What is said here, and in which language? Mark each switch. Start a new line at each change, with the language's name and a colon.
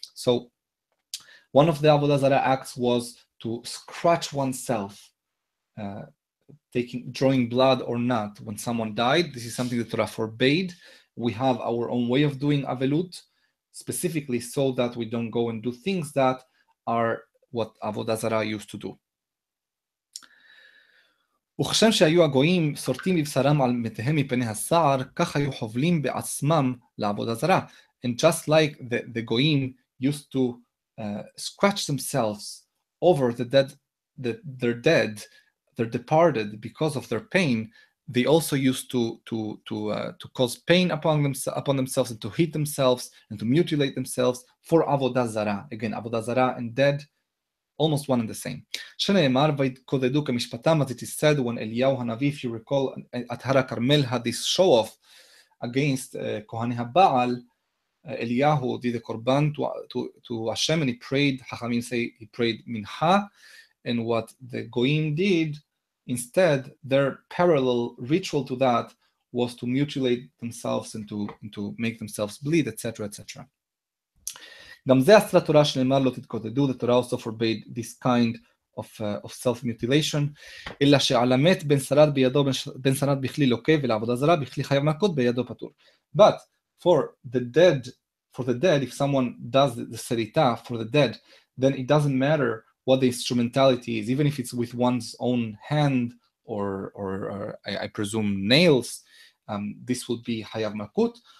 English: So one of the Avodah Zarah acts was to scratch oneself, drawing blood or not, when someone died. This is something that Torah forbade. We have our own way of doing avelut, specifically so that we don't go and do things that are what Avodah Zarah used to do.
Hebrew: וכשם שהיו הגויים סורטים בבשרם על מתיהם מפני הסער, כך היו חובלים בעצמם לעבודה זרה.
English: And just like the goyim used to scratch themselves over the dead, their departed because of their pain, they also used to cause pain upon themselves and to hit themselves and to mutilate themselves for avodah zarah. Again, avodah zarah and dead, almost one and the same.
Hebrew: שנאמר ויתקודדו כמשפטם,
English: as it is said when Eliyahu Hanavi, if you recall, at Har HaKarmel had this show off against Kohani HaBaal, Eliyahu did a korban to Hashem and he prayed, Hachamim say he prayed Mincha, and what the Goyim did instead, their parallel ritual to that was to mutilate themselves and to make themselves bleed, etc., etc.
Hebrew: גם זה אסרה תורה שנאמר לא תתקודדו,
English: the Torah also forbade this kind of self-mutilation,
Hebrew: אלא שעל המת בן שרד בידו, בן שרד בכלי לוקה, ולעבודה זרה בכלי חייב מכות בידו פטור.
English: But for the dead, if someone does the serita for the dead, then it doesn't matter what the instrumentality is, even if it's with one's own hand or I presume nails, this would be Hayav Malkut.